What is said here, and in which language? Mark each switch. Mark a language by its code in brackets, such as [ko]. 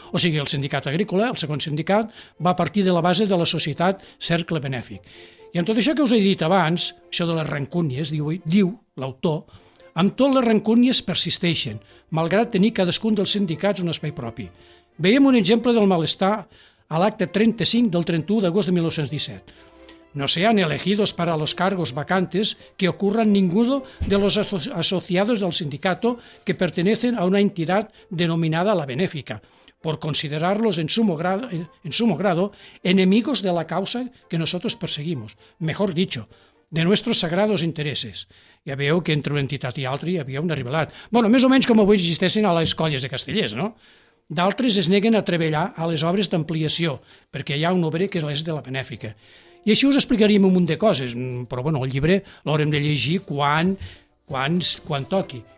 [ca] O sigui, el Sindicat Agrícola, el segon sindicat, va partir de la base de la Societat Cercle Benèfic. I amb tot això que us he dit abans, això de les rancúnies, diu l'autor, amb tot les rancúnies persisteixen, malgrat tenir cadascun dels sindicats un espai propi. Veiem un exemple del malestar a l'acte 35 del 31 d'agost de 1917. [es] No sean elegidos para los cargos vacantes que ocurran ninguno de los asociados del sindicato que pertenecen a una entidad denominada la Benéfica, por considerarlos en sumo grado enemigos de la causa que nosotros perseguimos, mejor dicho, de nuestros sagrados intereses. [ca] Ja veieu que entre una entitat i altra hi havia un arribalat. Bueno, més o menys com avui existessin a les colles de castellers, no? D'altres es neguen a treballar a les obres d'ampliació, perquè hi ha un obrer que és l'est de la benèfica. I així us explicaríem un munt de coses, però bueno, el llibre l'haurem de llegir quan toqui.